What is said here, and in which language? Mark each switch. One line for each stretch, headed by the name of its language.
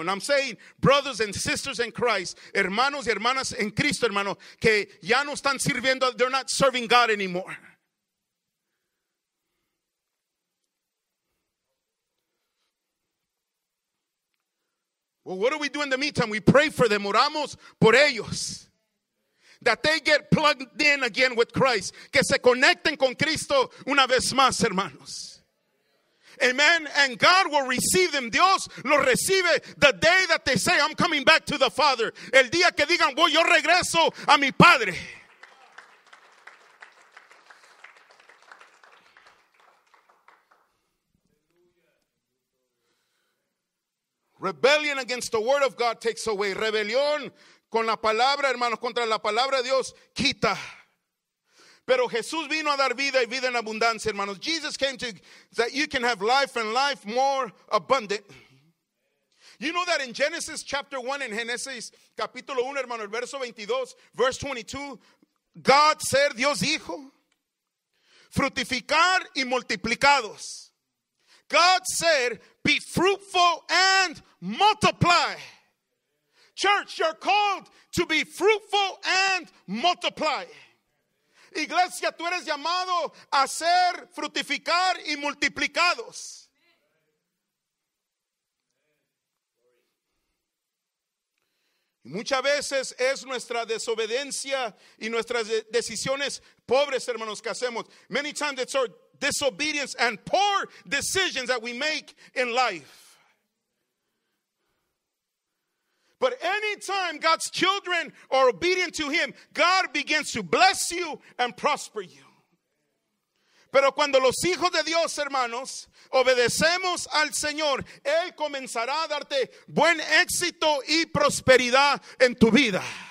English: And I'm saying, brothers and sisters in Christ,
Spanish: hermanos y hermanas en Cristo, hermanos, que ya no están sirviendo,
English: they're not serving God anymore. Well, what do we do in the meantime? We pray for them.
Spanish: Oramos por ellos.
English: That they get plugged in again with Christ.
Spanish: Que se conecten con Cristo una vez más, hermanos.
English: Amen. And God will receive them.
Spanish: Dios los recibe
English: the day that they say, I'm coming back to the Father.
Spanish: El día que digan, voy, yo regreso a mi Padre.
English: Rebellion against the word of God takes away.
Spanish: Rebelión con la palabra, hermanos, contra la palabra de Dios, quita. Pero Jesús vino a dar vida y vida en abundancia, hermanos.
English: Jesus came to that you can have life and life more abundant. You know that in Genesis chapter 1, in
Spanish: Genesis capítulo 1, hermano, el verso 22,
English: verse 22,
Spanish: God ser Dios dijo, fructificar y multiplicados.
English: God said, be fruitful and multiply. Church, you're called to be fruitful and multiply.
Spanish: Iglesia, tú eres llamado a ser fructificar y multiplicados. Y muchas veces es nuestra desobediencia y nuestras decisiones pobres, hermanos, que hacemos.
English: Many times it's our disobedience and poor decisions that we make in life. But anytime God's children are obedient to him, God begins to bless you and prosper you.
Spanish: Pero cuando los hijos de Dios, hermanos, obedecemos al Señor, Él comenzará a darte buen éxito y prosperidad en tu vida.